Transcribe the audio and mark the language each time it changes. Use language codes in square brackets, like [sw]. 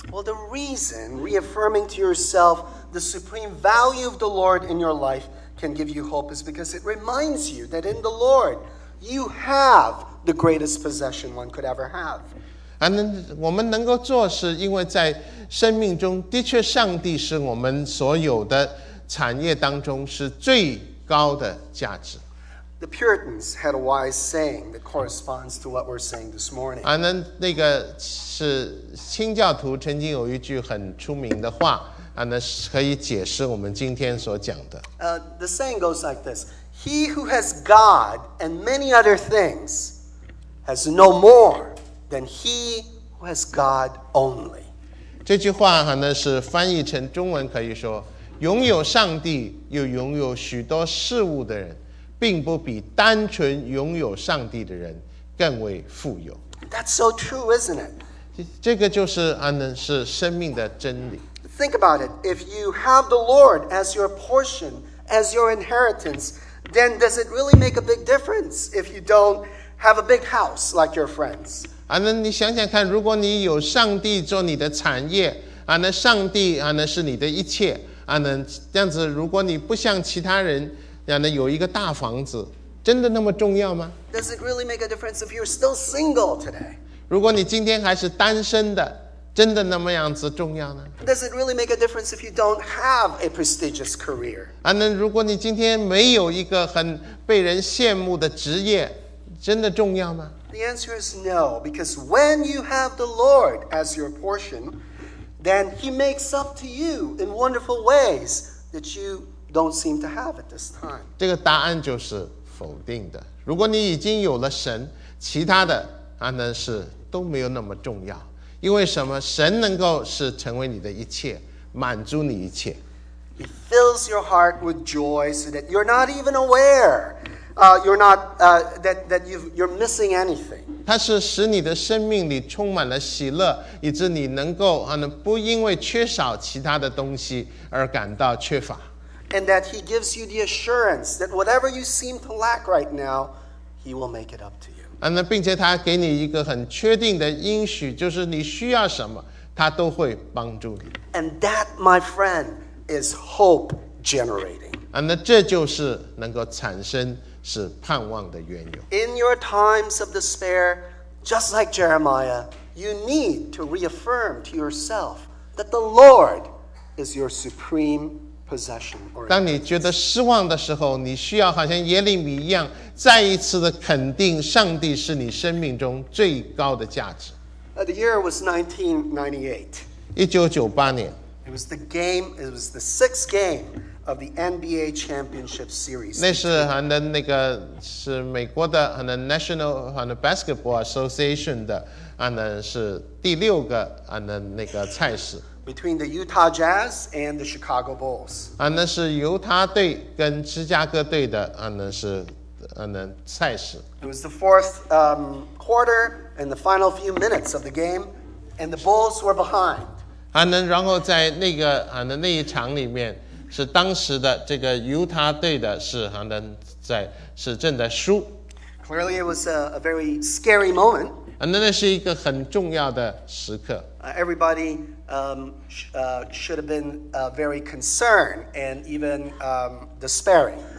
[en] Well, the reason reaffirming to yourself the supreme value of the Lord in your life can give you hope is because it reminds you that in the Lord, you have the greatest possession one could ever have. [zh] And then, 我们能够做是因为在生命中的确上帝是我们所有的产业当中是最高的价值。 [en] The Puritans had a wise saying that corresponds to what we're saying this morning. [zh] 那个是清教徒曾经有一句很出名的话，可以解释我们今天所讲的。 [en] The saying goes like this: He who has God and many other things has no more than he who has God only. [zh] 这句话是翻译成中文可以说：拥有上帝又拥有许多事物的人。并不比单纯拥有上帝的人更为富有。 [en] That's so true, isn't it? [zh] 这个就是是生命的真理。 [en] Think about it. If you have the Lord as your portion, as your inheritance, then does it really make a big difference if you don't have a big house like your friends? [zh] 你想想看，如果你有上帝做你的产业，上帝是你的一切，这样子，如果你不像其他人。有一个大房子，真的那么重要吗？ [en] Does it really make a difference if you're still single today? [zh] 如果你今天还是单身的，真的那么样子重要呢？ [en] Does it really make a difference if you don't have a prestigious career? [zh] 如果你今天没有一个很被人羡慕的职业，真的重要吗？ [en] The answer is no, because when you have the Lord as your portion, then He makes up to you in wonderful ways that you don't seem to have at this time. [zh] 这个答案就是否定的。如果你已经有了神，其他的是都没有那么重要。因为什么？神能够是成为你的一切，满足你一切。 [en] He fills your heart with joy so that you're not even aware, you're missing anything. [zh] 它是使你的生命里充满了喜乐，以致你能够不因为缺少其他的东西而感到缺乏。 [en] And that He gives you the assurance that whatever you seem to lack right now, He will make it up to you. [zh] 并且他给你一个很确定的应许，就是你需要什么，他都会帮助你。 [en] And that, my friend, is hope generating. [zh] 这就是能够产生是盼望的缘由。 [en] In your times of despair, just like Jeremiah, you need to reaffirm to yourself that the Lord is your supreme possession or anything. [zh] 当你觉得失望的时候，你需要好像耶利米一样，再一次的肯定上帝是你生命中最高的价值。 [en] The year was 1998. It was the game, it was the sixth game of the NBA Championship Series. [zh] 那是韩的那个是美国的韩的 National 韩的 Basketball Association 的韩的是第六个韩的那个赛事。 [en] Between the Utah Jazz and the Chicago Bulls. [zh] 韩的是犹他队跟芝加哥队的韩的是。 [en] It was the fourth quarter and the final few minutes of the game, and the Bulls were behind. [zh] 然后在那个那一场里面，是当时的这个犹他队的是是正在输。 [en] Clearly, it was a very scary moment. [zh] 那是一个很重要的时刻。 [en] Everybody should have been very concerned and even despairing.